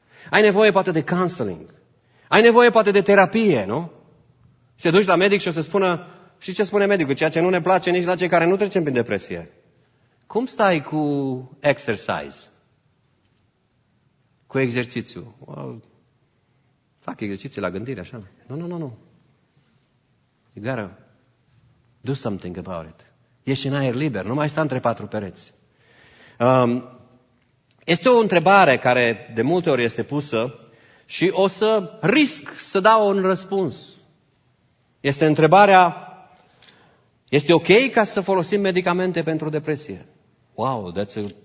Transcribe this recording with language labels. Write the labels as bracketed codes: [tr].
[ro] Ai nevoie poate de counseling. Ai nevoie poate de terapie, nu? Și te duci la medic și o să spună, și ce spune medicul? Ceea ce nu ne place nici la cei care nu trecem prin depresie. Cum stai cu exercise? Cu exercițiu? Well, fac exerciții la gândire, așa. Nu. [en] You gotta do something about it. [ro] Ești în aer liber, nu mai sta între patru pereți. Este o întrebare care de multe ori este pusă și o să risc să dau un răspuns. Este întrebarea, este ok ca să folosim medicamente pentru depresie? [en] Wow, that's a...